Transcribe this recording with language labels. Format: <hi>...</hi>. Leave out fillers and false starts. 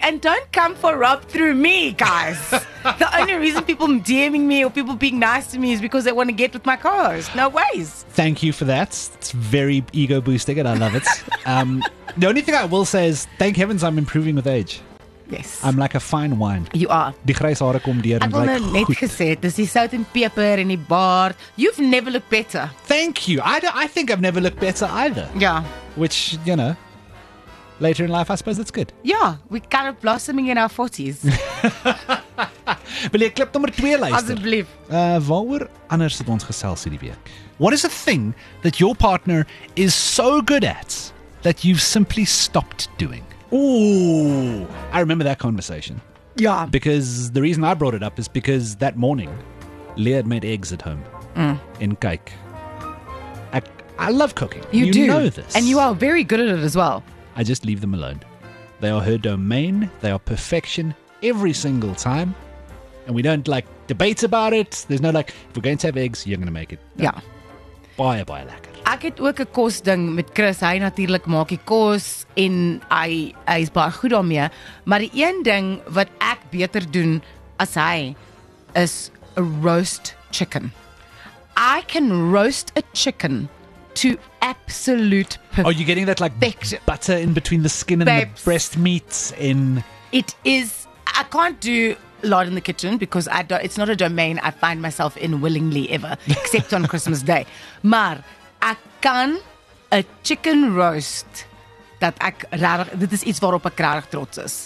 <en>And don't come for Rob through me, guys. The only reason people DMing me or people being nice to me is because they want to get with my co-host. No ways. Thank you for that. It's very ego boosting and I love it. The only thing I will say is thank heavens I'm improving with age. Yes. I'm like a fine wine. You are.</en> <af>Die grijs hare kom deur en blyk goed. Ek het net gesê, dis die sout en peper en die baard.</af> <en>You've never looked better. Thank you. I think I've never looked better either. Yeah. Which, you know, later in life I suppose it's good. Yeah, we're kind of blossoming in our 40s.</en> <af>Wil jy klip nommer 2 luister? Asseblief. Waaroor anders het ons gesels hierdie week?</af> <en>What is a thing that your partner is so good at that you've simply stopped doing? Ooh, I remember that conversation. Yeah. Because the reason I brought it up is because that morning, Leah had made eggs at home in cake. I love cooking. You do. You know this. And you are very good at it as well. I just leave them alone. They are her domain. They are perfection every single time. And we don't like debate about it. There's no like, if we're going to have eggs, you're going to make it. Done. Yeah.</en> <af>Baie, baie lekker. Ek het ook 'n kos ding met Chris. Hy natuurlik maak die kos en hy is baie goed daarmee, maar die een ding wat ek beter doen as hy is</af> <en>a roast chicken. I can roast a chicken to absolute perfection. Are you getting that like butter in between the skin and the breast meats in? It is. I can't do lot in the kitchen because it's not a domain I find myself in willingly ever, except on Christmas Day.</en> <af>Maar ek kan</af> <en>a chicken roast</en> <af>dat ek rarig, dit is iets waarop ek rarig trots is.</af>